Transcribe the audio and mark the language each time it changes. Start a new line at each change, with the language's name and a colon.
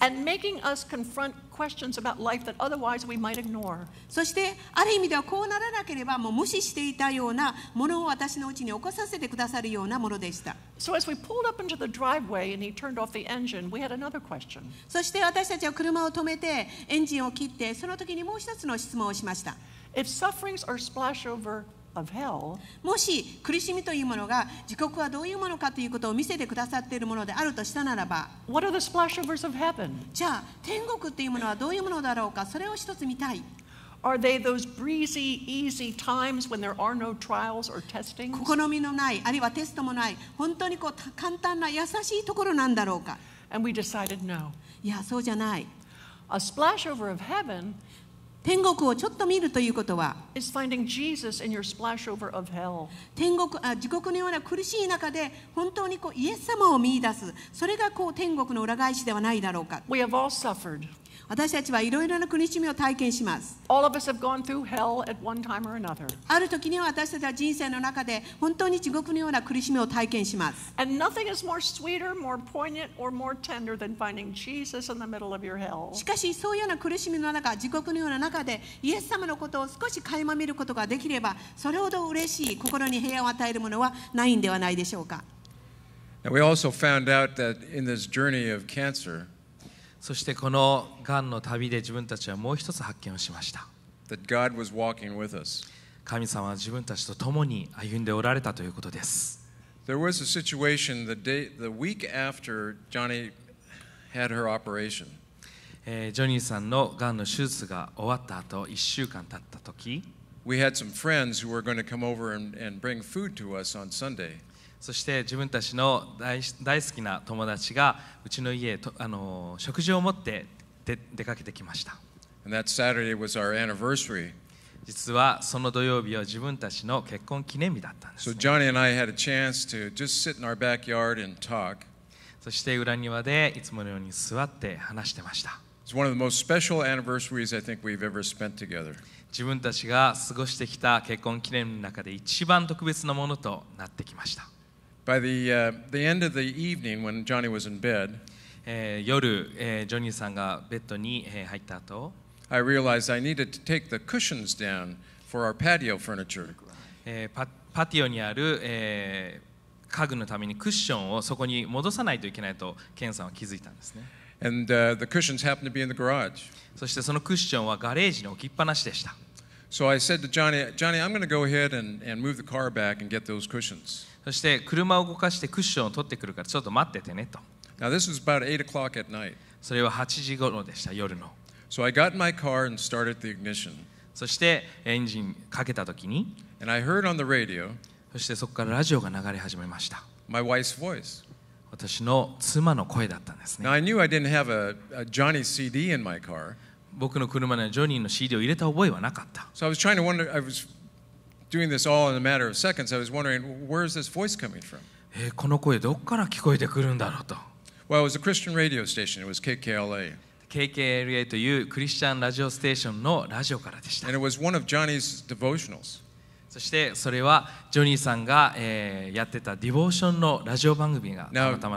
English: And making us confront questions about life that otherwise we might ignore.
Japanese: そしてある意味ではこうならなければもう無視していたようなものを私のうちに起こさせてくださるようなものでした。
English: So as we pulled up into the driveway and he turned off the engine, we had another question.
Japanese: そして私たちは車を止めてエンジンを切ってその時にもう一つの質問をしました。
English: If sufferings are splash over of hell,
Japanese: もし苦しみというものが地獄はどういうものかということを見せてくださっているものであるとしたならば、
English: What are the splash overs of heaven?
Japanese: じゃあ天国というものはどういうものだろうか、それを一つ見たい。
English: Are they those breezy, easy times when there are no trials or testings?
Japanese: 試みのない、あるいはテストもない、本当にこう簡単な優しいところなんだろうか。
English: And we decided no.
Japanese: いや、そうじゃない。
English: A splash over of heaven,
Japanese: 天国をちょっと見るということは、
English: is finding Jesus in your splash over of hell.
Japanese: 天国、あ、地獄のような苦しい中で本当にこうイエス様を見出す、それがこう天国の裏返しではないだろうか。
English: We have all suffered.
Japanese: 私たちはいろいろな苦しみを体験します。
English: All of us have gone through hell at one time or another.
Japanese: ある時には私たちは人生の中で本当に地獄のような苦しみを体験します。
English: And nothing is more sweeter, more poignant, or more tender than finding Jesus in the middle of your hell.
Japanese: しかしそういうような苦しみの中、地獄のような中でイエス様のことを少し垣間見ることができれば、それほど嬉しい心に平安を与えるものはないんではないでしょうか。
English: Now we also found out that in this journey of cancer,
Japanese: そしてこのがんの旅で自分たちはもう一つ発見をしました。神様は自分たちと共に歩んでおられたということです。
English: There was a situation the week after Johnny had her operation.
Japanese: ジョニーさんのがんの手術が終わった後、一週間経った時、
English: We had some friends who were going to come over and bring food to us on Sunday.
Japanese: そして自分たちの 大好きな友達がうちの家へとあの食事を持って出かけてきました。
English: And that Saturday was our anniversary.
Japanese: 実はその土曜日は自分たちの結婚記念日だったんです、
English: ね。So Johnny and I had a chance to just sit in our backyard and talk.
Japanese: そして裏庭でいつものように座って話してました。
English: It's one of the most special anniversaries I think we've ever spent together.
Japanese: 自分たちが過ごしてきた結婚記念の中で一番特別なものとなってきました。
English: By the end of the evening, when Johnny was in bed,
Japanese: 夜、ジョニーさんがベッドに入った後、
English: I realized I needed to take the cushions down for our patio furniture.
Japanese: パティオにある家具のためにクッションをそこに戻さないといけないとケンさんは気づいたんですね。
English: And the cushions happened to be in the garage.
Japanese: そしてそのクッションはガレージに置きっぱなしでした。
English: So I said to Johnny, Johnny, I'm going to go ahead and move the car back and get those cushions.
Japanese: そして車を動かしてクッションを取ってくるからちょっと待っててねと。
English: Now this was about 8 o'clock at night.
Japanese: それは8時ごろでした、夜の。
English: So I got in my car and started the ignition.
Japanese: そしてエンジンかけたときに。
English: And I heard on the radio.
Japanese: そしてそこからラジオが流れ始めました。
English: My wife's voice.
Japanese: 私の妻の声だったんですね。
English: Now, I knew I didn't have a Johnny CD in my car.
Japanese: 僕の車にはジョニーの CD を入れた覚えはなかった。
English: So I was trying to wonder, I was doing this all in a matter of seconds. I was wondering, where is this voice coming from?
Japanese: この声どこから聞こえてくるんだろうと。
English: Well, it was a Christian radio station. It was KKLA.
Japanese: KKLA というクリスチャンラジオステーションのラジオからでした。
English: And it was one of Johnny's devotionals.
Japanese: そしてそれはジョニーさんが、やってたディボーションのラジオ番組がたまたま